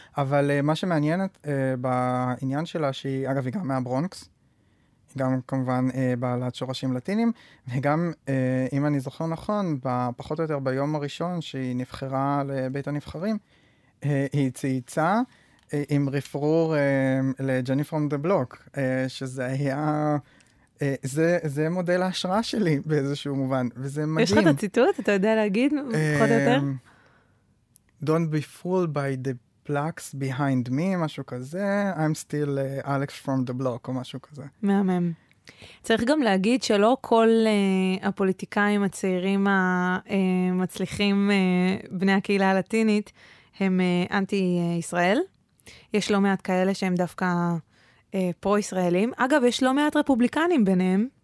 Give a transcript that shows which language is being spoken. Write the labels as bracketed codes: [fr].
[he] אבל מה שמעניין בעניין שלה, שהיא, אגב, היא גם מהברונקס, היא גם כמובן בעלת שורשים לטינים, וגם, אם אני זוכר נכון, פחות או יותר ביום הראשון שהיא נבחרה לבית הנבחרים, היא צייצה עם רפרור לג'ני פרום דה בלוק, שזה היה... זה מודל ההשראה שלי באיזשהו מובן, וזה מדהים. יש לך את הציטוט? אתה יודע להגיד פחות או יותר? [en] Don't be fooled by the plaques behind me, [he] משהו כזה. [en] I'm still Alex from the block, [he] או משהו כזה. מהמם. צריך גם להגיד שלא כל הפוליטיקאים הצעירים המצליחים בני הקהילה הלטינית הם אנטי-ישראל. יש לא מעט כאלה שהם דווקא פרו-ישראלים. אגב, יש לא מעט רפובליקנים ביניהם.